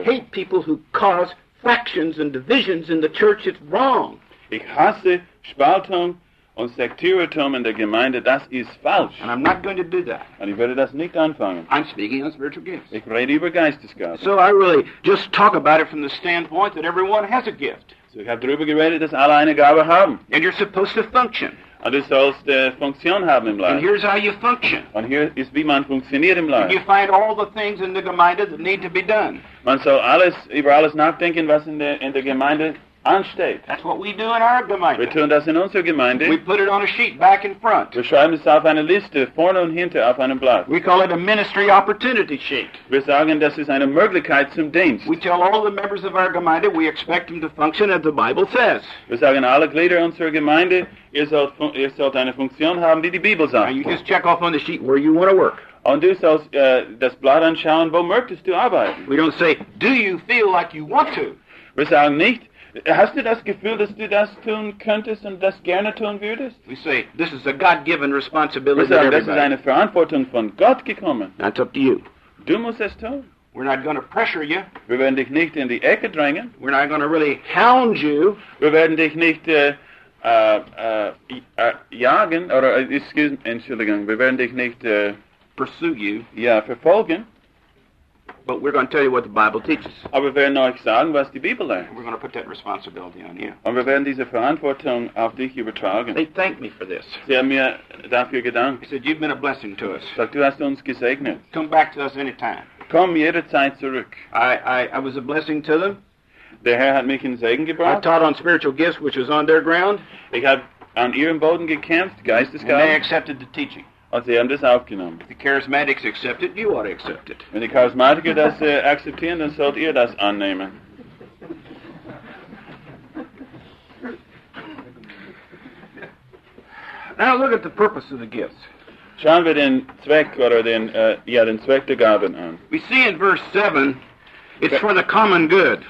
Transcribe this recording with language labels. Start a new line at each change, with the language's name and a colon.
English: I hate people who cause factions and divisions in the church. It's wrong.
German: Ich hasse Spaltung und Sektierertum in der Gemeinde. Das ist falsch.
English: And I'm not going to do that.
German: Und ich werde das nicht anfangen.
English: I'm speaking on spiritual gifts.
German: Ich rede über Geistesgaben.
English: So I really just talk about it from the standpoint that everyone has a gift.
German: So ich habe darüber geredet, dass alle eine Gabe haben.
English: And you're supposed to function.
German: Und du sollst Funktion haben im Leib.
English: And here's how you function.
German: Und hier ist, wie man funktioniert im Leib.
English: You find all the things in the Gemeinde that need to be done.
German: Man soll alles, über alles nachdenken, was in der Gemeinde ansteht.
English: That's what we do in our Gemeinde.
German: Wir tun das in unserer Gemeinde.
English: We put it on a sheet back and front.
German: Wir schreiben es auf eine Liste, vorne und hinter auf einem Blatt.
English: We call it a ministry opportunity sheet.
German: Wir sagen, das ist eine Möglichkeit zum Dienst.
English: We tell all the members of our Gemeinde we expect them to function as the Bible says.
German: Wir sagen, alle Glieder unserer Gemeinde, ihr sollt eine Funktion haben, die Bibel sagt.
English: Now you just check off on the sheet where you want to work.
German: Und du sollst das Blatt anschauen, wo möchtest du arbeiten.
English: We don't say, do you feel like you want to?
German: Wir sagen nicht, hast du das Gefühl, dass du das tun könntest und das gerne tun würdest?
English: We say, this is a God-given responsibility.
German: Wir sagen, das ist eine Verantwortung von Gott gekommen.
English: That's up to you.
German: Du musst es tun.
English: We're not going to pressure you.
German: Wir werden dich nicht in die Ecke drängen.
English: We're not going to really hound you.
German: Wir werden dich nicht jagen, oder Entschuldigung, wir werden dich nicht
English: pursue you.
German: Ja, verfolgen.
English: But we're going to tell you what the Bible teaches.
German: Aber wir werden euch sagen, was die Bibel lehrt.
English: We're going to put that responsibility on you.
German: Und wir werden diese Verantwortung auf dich übertragen.
English: They thank me for this.
German: Sie haben mir dafür gedankt.
English: He said, you've been a blessing to us.
German: Sagt, du hast uns gesegnet.
English: Come back to us anytime.
German: Komm jederzeit zurück.
English: I was a blessing to them.
German: Der Herr hat mich in Segen gebracht.
English: I taught on spiritual gifts, which was on their ground.
German: Ich habe an ihrem Boden gekämpft, Geistesgaben.
English: And they accepted the teaching.
German: Und sie haben das aufgenommen.
English: If the charismatics accept it, you ought to accept it.
German: Wenn die Charismatiker das akzeptieren, dann sollt ihr das annehmen.
English: Now look at the purpose of the gifts.
German: Schauen wir den Zweck oder den Zweck der Gaben an.
English: We see in verse 7, it's for the common good.